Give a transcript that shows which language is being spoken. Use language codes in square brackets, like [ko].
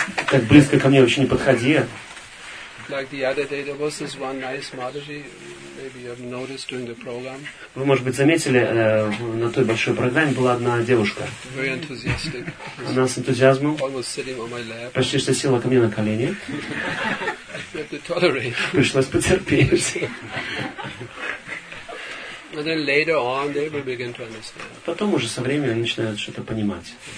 [ru] Так близко ко мне вообще не подходи. [en] Like the other day, there was this one nice Mataji, maybe you have noticed during the program. [ru] Вы, может быть, заметили, на той большой программе была одна девушка. [en] Very enthusiastic. [ru] Она с энтузиазмом. [en] Almost sitting on my lap. [ru] Почти что села ко мне на колени. [en] You have to tolerate. [ru] Пришлось потерпеть. [en] And then later on, they will begin to understand. [ru] Потом уже со временем начинают что-то понимать.